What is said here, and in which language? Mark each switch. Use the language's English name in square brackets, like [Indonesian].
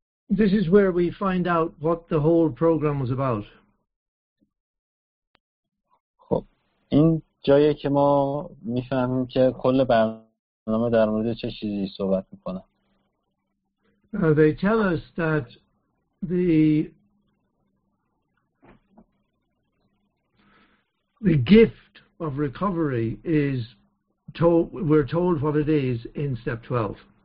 [English] This is where we find out what the whole program was about. [Persian] خب این جایی که ما میفهمیم که کل برنامه در مورد چه چیزی صحبت میکنه. [English] They tell us that the gift of recovery is told, we're told what it is in step 12.